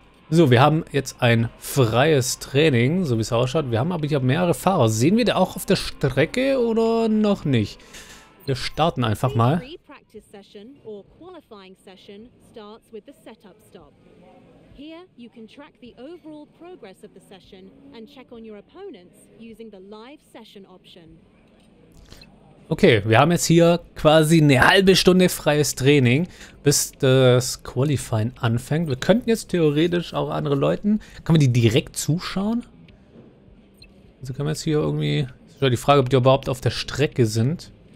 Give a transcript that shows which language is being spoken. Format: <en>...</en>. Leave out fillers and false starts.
<de>So, wir haben jetzt ein freies Training, so wie es ausschaut. Wir haben aber hier mehrere Fahrer. Sehen wir da auch auf der Strecke oder noch nicht? Wir starten einfach mal.</de> <en>Session or qualifying session starts with the setup stop. Here you can track the overall progress of the session and check on your opponents using the live session option.</en> <de>Okay, wir haben jetzt hier quasi eine halbe Stunde freies Training, bis das Qualifying anfängt. Wir könnten jetzt theoretisch auch andere Leuten, kann man die direkt zuschauen? Also können wir jetzt hier irgendwie, das ist ja die Frage, ob die überhaupt auf der Strecke sind.</de>